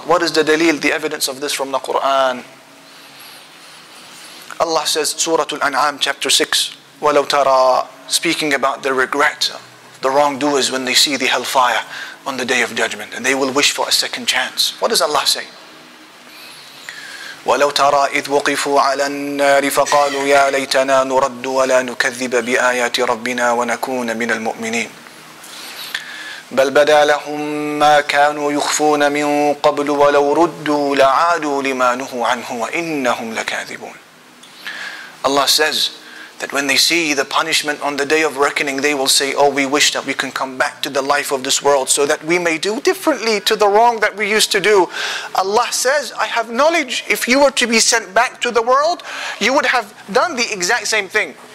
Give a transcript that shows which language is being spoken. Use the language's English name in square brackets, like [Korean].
[English] What is the dalil, the evidence of this from the Quran? Allah says, Surah Al-An'am, chapter 6, [Arabic] وَلَوْ تَرَى. [English] Speaking about the regret, the wrongdoers when they see the hellfire on the day of judgment, and they will wish for a second chance. What does Allah say? [Arabic] ولو ترى إذ وقفوا على النار فقالوا يا ليتنا نرد ولا نكذب بآيات ربنا ونكون من المؤمنين بل بدا لهم ما كانوا يخفون من قبل ولو ردوا لعادوا لما نهوا عنه وإنهم لكاذبون. [English] Allah says that when they see the punishment on the day of reckoning, they will say, oh, we wish that we can come back to the life of this world so that we may do differently to the wrong that we used to do. Allah says, I have knowledge. If you were to be sent back to the world, you would have done the exact same thing.